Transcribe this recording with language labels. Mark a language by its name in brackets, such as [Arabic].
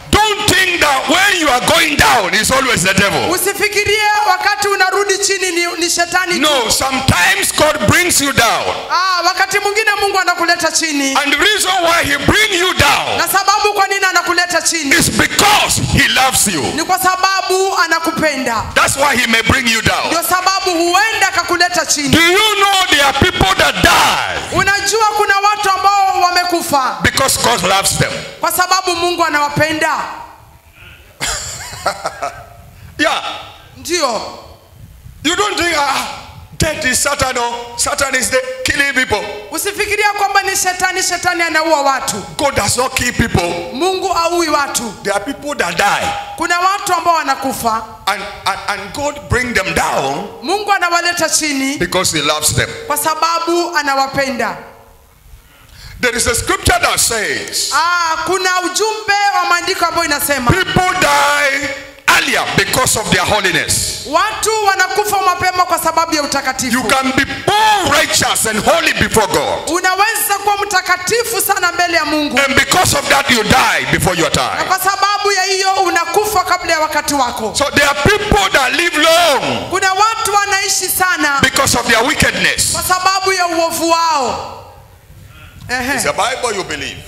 [English] Don't think that when you are going down it's always the devil. [Swahili] Usifikirie wakati unarudi chini ni shetani. [English] No, sometimes God brings you down. [Swahili] Ah, wakati mwingine Mungu anakuleta chini. [English] And the reason why he bring you down. [Swahili] Na sababu kwa nini anakuleta chini? [English] It's because he loves you. [Swahili] Ni kwa sababu anakupenda. [English] That's why he may bring you down. [Swahili] Ndio sababu huenda akakuleta chini. [English] Do you know there are people that die? [Swahili] Unajua kuna watu ambao wamekufa. [English] Because God loves them. [Swahili] Kwa sababu Mungu anawapenda. [English] Yeah. [Swahili] Ndio. [English] You don't think death is Satan, or Satan is the killing people. [Swahili] Usifikirie kwamba ni shetani, shetani anaua watu. [English] God does not kill people. [Swahili] Mungu haui watu. [English] There are people that die. [Swahili] Kuna watu ambao wanakufa. [English] And God bring them down. [Swahili] Mungu anawaleta chini. [English] Because he loves them. [Swahili] Kwa sababu anawapenda. [English] There is a scripture that says. [Swahili] Ah, kuna ujumbe wa maandiko ambao inasema. [English] People die earlier because of their holiness. [Swahili] Watu wanakufa mapema kwa sababu ya utakatifu. [English] You can be born righteous and holy before God. [Swahili] Unaweza kuwa mtakatifu sana mbele ya Mungu. [English] And because of that you die before your time. [Swahili] Na kwa sababu ya hiyo unakufa kabla ya wakati wako. [English] So there are people that live long. [Swahili] Kuna watu wanaishi sana. [English] Because of their wickedness. [Swahili] Kwa sababu ya uovu wao. [English] It's the Bible you believe.